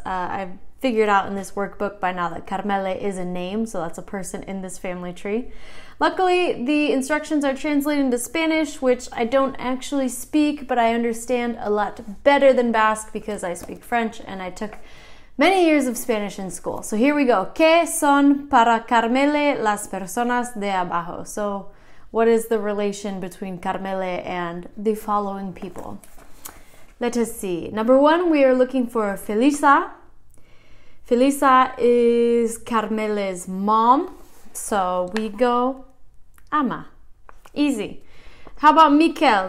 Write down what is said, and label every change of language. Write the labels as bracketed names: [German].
[English] I figured out in this workbook by now that Carmele is a name, so that's a person in this family tree. Luckily, the instructions are translated into Spanish, which I don't actually speak, but I understand a lot better than Basque because I speak French and I took many years of Spanish in school. So here we go. [Spanish] ¿Qué son para Carmele las personas de abajo? [English] So what is the relation between Carmele and the following people? Let us see. Number one, we are looking for Felisa. Felisa is Carmele's mom. So we go ama. Easy. How about Mikel?